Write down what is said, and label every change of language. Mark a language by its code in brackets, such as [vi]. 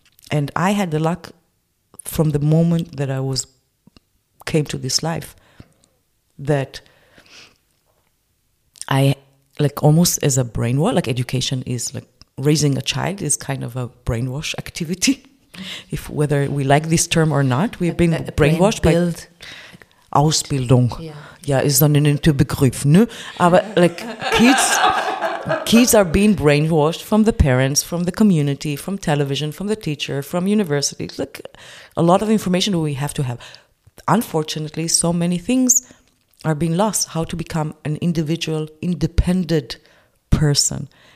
[en] And I had the luck from the moment that I came to this life that I like almost as a brainwash, like education is like raising a child is kind of a brainwash activity. If whether we like this term or not, we've been brainwashed brain by Ausbildung. [de] Yeah, ist dann ein Begriff, ne? [en] Aber like kids are being brainwashed from the parents, from the community, from television, from the teacher, from universities. Like a lot of information we have to have. Unfortunately, so many things are being lost. How to become an individual, independent person.